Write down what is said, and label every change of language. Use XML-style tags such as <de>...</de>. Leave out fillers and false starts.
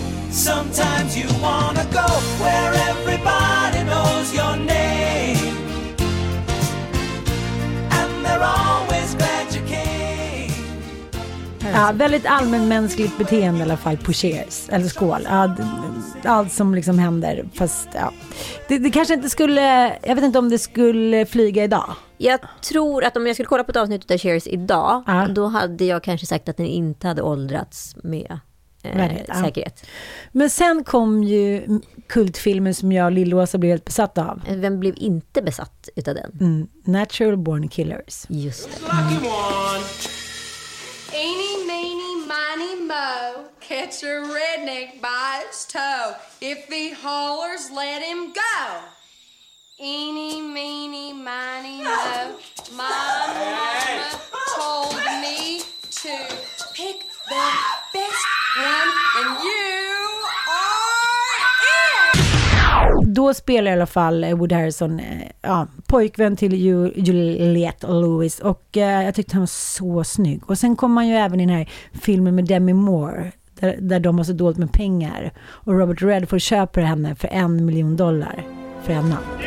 <en>Sometimes you wanna go where everybody knows your name. And they're always glad you came.</en> <sv>Ja, väldigt allmänmänskligt beteende i alla fall på Cheers. Eller skål. Ja, allt som liksom händer. Fast ja. Det kanske inte skulle, jag vet inte om det skulle flyga idag. Jag tror att om jag skulle kolla på ett avsnitt av Cheers idag, ja, då hade jag kanske sagt att den inte hade åldrats med säkerhet. Ja. Men sen kom ju kultfilmen som jag och Lillåsa blev helt besatta av. Vem blev inte besatt utav den? Mm. Natural Born Killers. Just det.</sv> <en>Lucky one. Eeny, meeny, miny, moe, catch a redneck by its toe. If he hollers, let him go. Eeny, meeny, miny, moe, my mama told me to pick the best one, and you are it!</en> <sv>Då spelar i alla fall Wood Harrelson pojkvän till Juliette Lewis och jag tyckte han var så snygg. Och sen kom han ju även i den här filmen med Demi Moore där de har så dolt med pengar och Robert Redford köper henne för $1 million för en natt.</sv>